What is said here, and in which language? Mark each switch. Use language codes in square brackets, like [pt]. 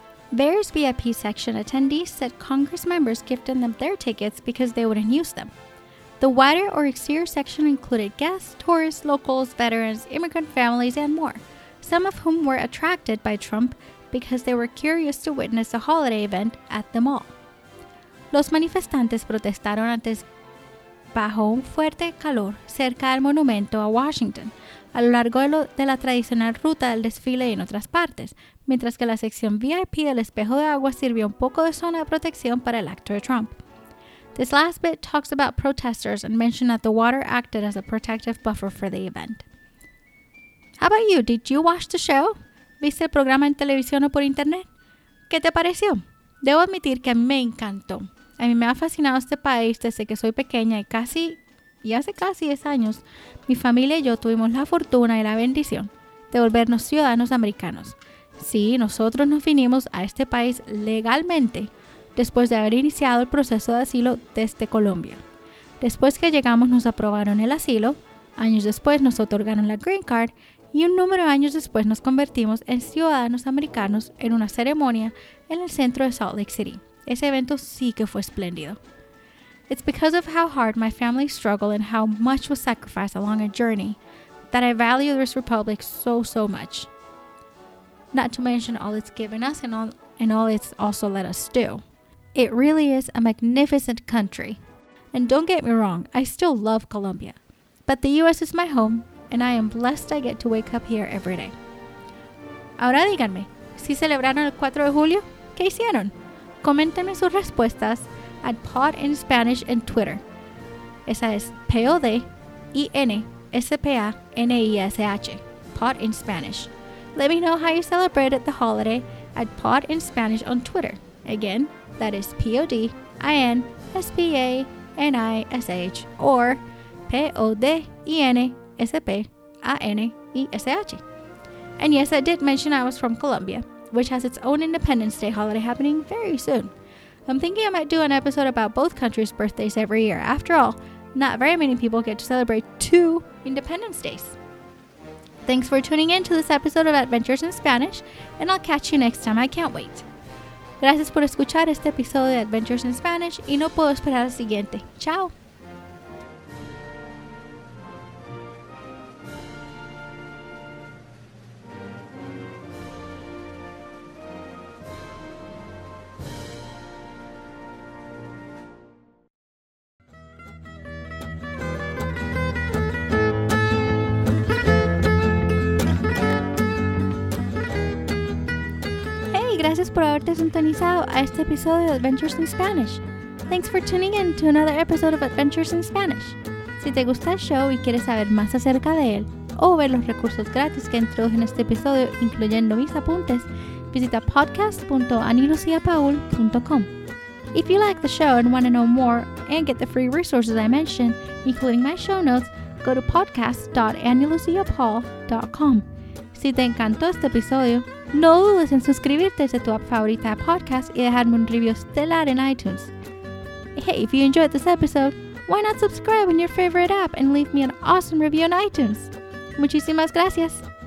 [en] Various VIP section attendees said Congress members gifted them their tickets because they wouldn't use them. The wider or exterior section included guests, tourists, locals, veterans, immigrant families, and more, some of whom were attracted by Trump because they were curious to witness a holiday event at the mall. [es] Los manifestantes protestaron antes bajo un fuerte calor cerca del monumento a Washington, a lo largo de la tradicional ruta del desfile y en otras partes, mientras que la sección VIP del espejo de agua sirvió un poco de zona de protección para el acto de Trump. [en] This last bit talks about protesters and mentioned that the water acted as a protective buffer for the event. How about you? Did you watch the show? [es] ¿Viste el programa en televisión o por internet? ¿Qué te pareció? Debo admitir que a mí me encantó. A mí me ha fascinado este país desde que soy pequeña y hace casi 10 años, mi familia y yo tuvimos la fortuna y la bendición de volvernos ciudadanos americanos. Sí, nosotros nos vinimos a este país legalmente, después de haber iniciado el proceso de asilo desde Colombia. Después que llegamos nos aprobaron el asilo, años después nos otorgaron la green card y un número de años después nos convertimos en ciudadanos americanos en una ceremonia en el centro de Salt Lake City. Ese evento sí que fue espléndido. [en] It's because of how hard my family struggled and how much was sacrificed along a journey that I value this republic so much. Not to mention all it's given us and all it's also let us do. It really is a magnificent country. And don't get me wrong, I still love Colombia. But the US is my home, and I am blessed I get to wake up here every day. [es] Ahora díganme, ¿si celebraron el 4 de julio? ¿Qué hicieron? Coméntenme sus respuestas at Pod in Spanish en Twitter. Esa es PODINSPANISH. Pod in Spanish. [en] Let me know how you celebrated the holiday at Pod in Spanish on Twitter. Again, that is PODINSPANISH or PODINSPANISH. And yes, I did mention I was from Colombia, which has its own Independence Day holiday happening very soon. I'm thinking I might do an episode about both countries' birthdays every year. After all, not very many people get to celebrate two Independence Days. Thanks for tuning in to this episode of Adventures in Spanish, and I'll catch you next time. I can't wait. [es] Gracias por escuchar este episodio de Adventures in Spanish y no puedo esperar al siguiente. Chao. Gracias por haberte sintonizado a este episodio de Adventures in Spanish. [en] Thanks for tuning in to another episode of Adventures in Spanish. [es] Si te gusta el show y quieres saber más acerca de él, o ver los recursos gratis que introduje en este episodio, incluyendo mis apuntes, visita podcast.anilucíapaul.com. [en] If you like the show and want to know more and get the free resources I mentioned, including my show notes, go to podcast.anilucíapaul.com. [es] Si te encantó este episodio, no dudes en suscribirte a tu app favorita de podcast y dejarme un review estelar en iTunes. [en] Hey, if you enjoyed this episode, why not subscribe in your favorite app and leave me an awesome review on iTunes? [es] Muchísimas gracias.